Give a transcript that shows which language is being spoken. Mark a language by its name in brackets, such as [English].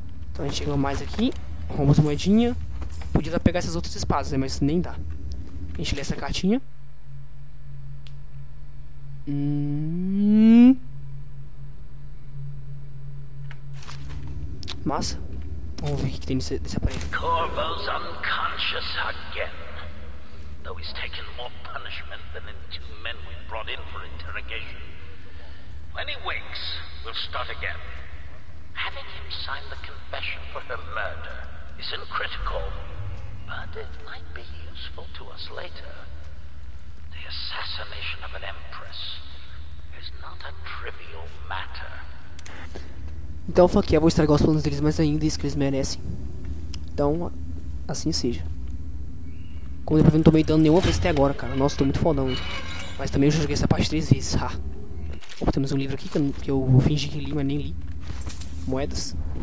[Portuguese] Então a gente chega mais aqui. Arrumamos a moedinha. Podia dar pra pegar essas outras espadas, né? Mas nem dá. A gente lê essa cartinha. Massa. Vamos ver o que tem nesse aparelho. [English] Corvo's unconscious again. Though he's taken more punishment than the two men we brought in for interrogation. When he wakes, we'll start again. Having him sign the confession for her murder. Isn't critical, but it might be useful to us later. The assassination of an empress is not a trivial matter. [Portuguese] Então, [English] fuck yeah, [Portuguese] vou estragar os planos deles mais ainda, isso que eles merecem. Então, assim seja. Como eu não tomei dano nenhuma vez até agora, cara. Nossa, tô muito fodão. Mas também eu já joguei essa parte 3 vezes, ha. Opa, temos um livro aqui que eu fingi que li, mas nem li. Moedas.